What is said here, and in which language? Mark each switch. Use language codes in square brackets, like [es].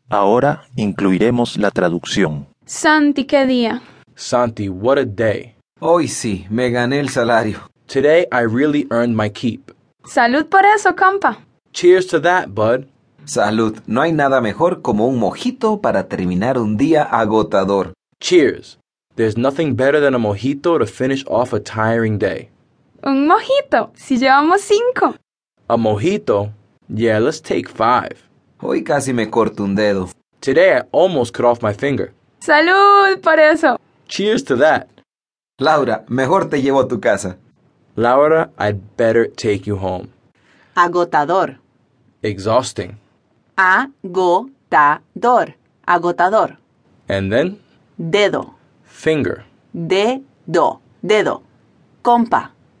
[es] Ahora incluiremos la traducción. Santi, qué día. [en] Santi, what a day. [es] Hoy sí, me gané el salario. [en] Today, I really earned my keep. [es] Salud por eso, compa. [en] Cheers to that, bud. [es] Salud. No hay nada mejor como un mojito para terminar un día agotador. [en] Cheers. There's nothing better than a mojito to finish off a tiring day. [es] Un mojito, si llevamos 5. [en] A mojito? Yeah, let's take 5. [es] Hoy casi me corto un dedo. [en] Today, I almost cut off my finger. [es] Salud por eso. [en] Cheers to that. [es] Laura, mejor te llevo a tu casa. [en] Laura, I'd better take you home. [es] Agotador. [en] Exhausting. [es] Agotador. Agotador. [en] And then? [es] Dedo. [en] Finger. [es] Dedo. Dedo. Compa.